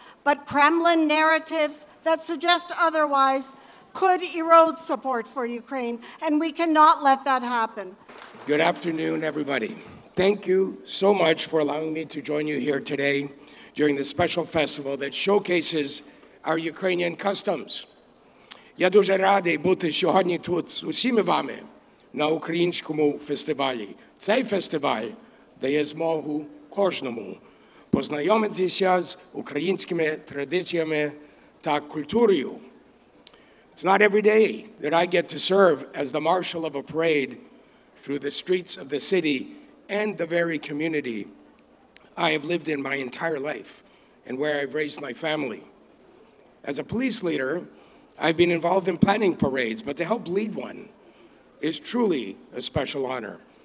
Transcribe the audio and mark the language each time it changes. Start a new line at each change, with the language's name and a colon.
English: But Kremlin narratives that suggest otherwise could erode support for Ukraine, and we cannot let that happen. Good afternoon, everybody. Thank you so much for allowing me to join you here today during this special festival that showcases our Ukrainian customs.
Ukrainian: Я дуже радий бути сьогодні тут з усіми вами на українському фестивалі. Цей фестиваль дає змогу кожному познайомитися з українськими традиціями та культурою.
English: It's not every day that I get to serve as the marshal of a parade through the streets of the city and the very community I have lived in my entire life and where I've raised my family. As a police leader, I've been involved in planning parades, but to help lead one is truly a special honor.